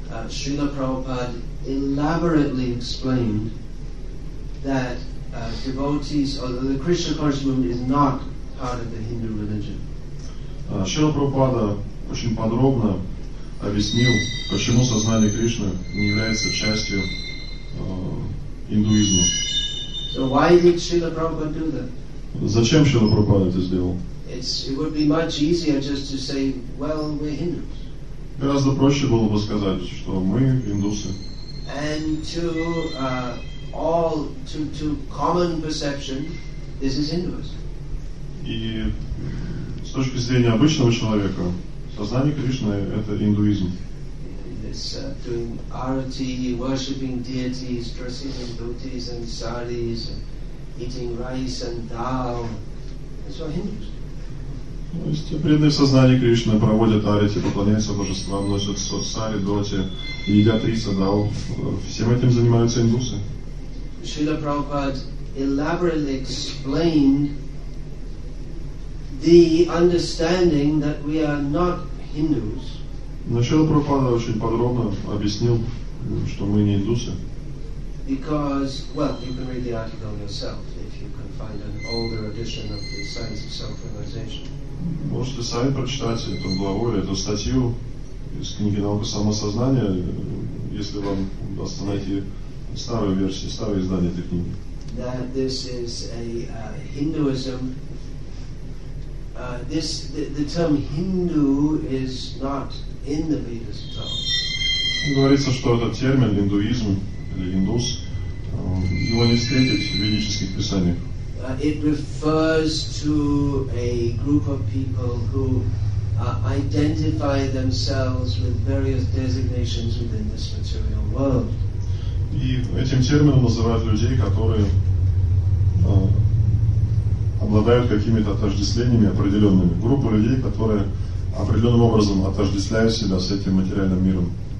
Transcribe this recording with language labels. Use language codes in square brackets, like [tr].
[en] Шрила Прабхупада elaborately explained that devotees or the Krishna consciousness is not part of the Hindu religion. [ru] Шрила Прабхупада очень подробно объяснил, почему сознание Кришны не является частью индуизма. [en] So why did Srila Prabhupada do that? [ru] Зачем Шрила Прабхупада это сделал? [en] It would be much easier just to say, well, we're Hindus. [ru] Гораздо проще было бы сказать, что мы индусы. [en] And to common perception, this is Hinduism. [ru] И с точки зрения обычного человека, сознание Кришны – это индуизм. [en] It's doing arati, worshipping deities, dressing in dhotis and saris, eating rice and dal. That's what Hindus do. [ru] То есть преданные сознание Кришны проводят арати, поклоняются божествам, носят сари, доти, едят рис и дал. Всем этим занимаются индусы. [en] Srila Prabhupada elaborately explained the understanding that we are not Hindus. [ru] Начало Прабхупада очень подробно объяснил, что мы не индусы. [en] Because, well, you can read the article yourself if you can find an older edition of the Science of Self-Realization. [ru] Можете сами прочитать эту главу или эту статью из книги «Наука самосознания», если вам удастся найти старую версию, старое издание этой книги. [en] That this is a Hinduism. The term Hindu is not in the Vedas at all. [ru] Говорится, что этот термин индуизм или индус его не встретить в ведических писаниях. [en] It refers to a group of people who identify themselves with various designations within this material world. [ru] И этим термином называют людей, которые обладают какими-то отождествлениями определенными. Группа людей, которые определенным образом отождествляют себя с этим материальным миром.